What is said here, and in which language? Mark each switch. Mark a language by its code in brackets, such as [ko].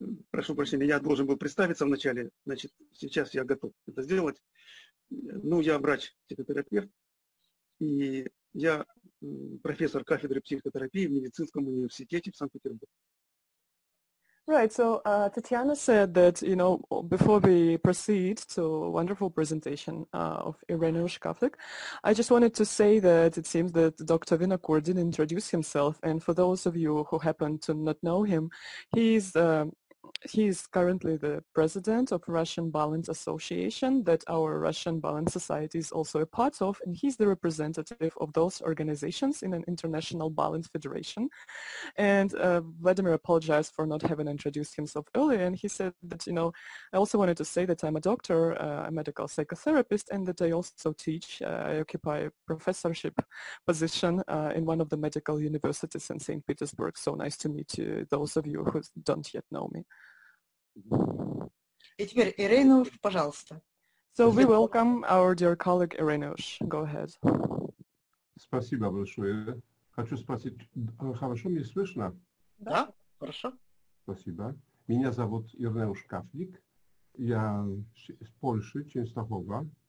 [ru] Прошу прощения, я должен был представиться вначале, значит, сейчас я готов это сделать. Ну, я врач-психотерапевт, и я профессор кафедры психотерапии в медицинском университете в Санкт-Петербурге. [en] Right, so Tatiana said that, you know, before we proceed to a wonderful presentation of Irene Ushkaflik, I just wanted to say that it seems that Dr. Vinokur didn't introduce himself, and for those of you who happen to not know him, he is currently the president of Russian Balance Association that our Russian Balance Society is also a part of, and he's the representative of those organizations in an international balance federation. And Vladimir apologized for not having introduced himself earlier, and he said that, you know, I also wanted to say that I'm a doctor, a medical psychotherapist, and that I also teach, I occupy a professorship position in one of the medical universities in St. Petersburg. So nice to meet you, those of you who don't yet know me. [ru] И теперь Ирейнуш, пожалуйста. [en] So we welcome our dear colleague Ирейнуш. Go ahead. [ru] Спасибо большое. Хочу спросить, хорошо мне слышно? Да, хорошо. Спасибо. Меня зовут Ирейнуш Кафлик. Я из Польши, Ченстахова.